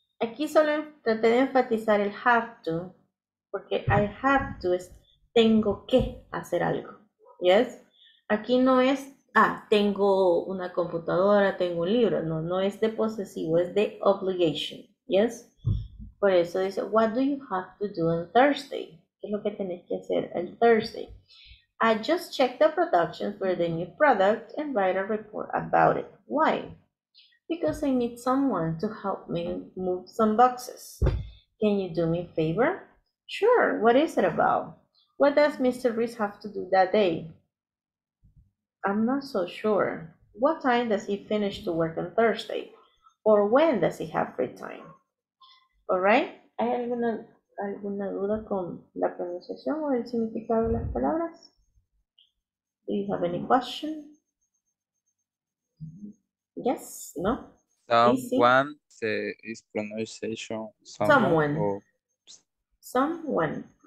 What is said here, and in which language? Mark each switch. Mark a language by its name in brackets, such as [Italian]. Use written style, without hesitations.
[Spanish] Aquí solo traté de enfatizar el have to, porque I have to es tengo que hacer algo. Yes? Aquí no es tengo una computadora, tengo un libro. No, no es de posesivo, es de obligation. Yes. Por eso dice, what do you have to do on Thursday? ¿Qué es lo que tenés que hacer el Thursday? [English] I just checked the production for the new product and write a report about it. Why? Because I need someone to help me move some boxes. Can you do me a favor? Sure. What is it about? What does Mr. Reese have to do that day? I'm not so sure. What time does he finish to work on Thursday? or when does he have free time? All right. [Spanish] ¿Hay alguna duda con la pronunciación o el significado de las palabras? [English] Do you have any question? Yes, no? Someone, is pronunciation someone.